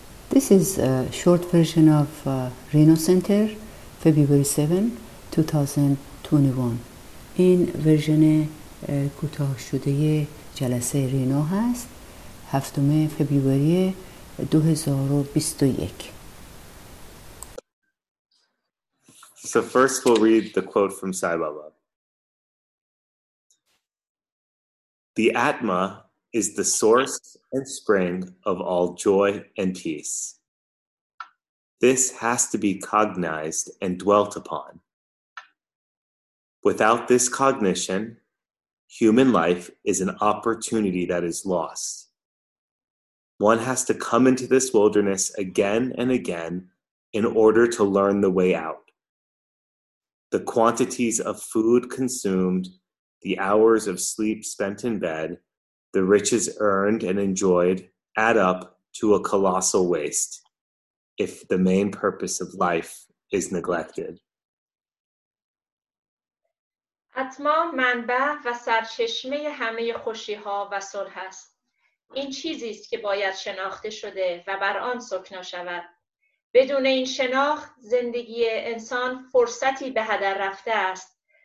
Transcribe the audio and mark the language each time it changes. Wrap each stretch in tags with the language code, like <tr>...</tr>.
<en>This is a short version of Reno Center, February 7, 2021.</en> <fa>این ورژن کوتاه شده جلسه رینو هست، 7 فوریه 2021.</fa> <en>So first we'll read the quote from Sai Baba. The Atma is the source and spring of all joy and peace. This has to be cognized and dwelt upon. Without this cognition, human life is an opportunity that is lost. One has to come into this wilderness again and again in order to learn the way out. The quantities of food consumed, the hours of sleep spent in bed, the riches earned and enjoyed add up to a colossal waste if the main purpose of life is neglected.</en> <fa>اتما منبع و سرچشمه همه خوشی ها و صلح است. این چیزی است که باید شناخته شده و بر آن سکنا شود. بدون این شناخت زندگی انسان فرصتی به هدر رفته است.</fa>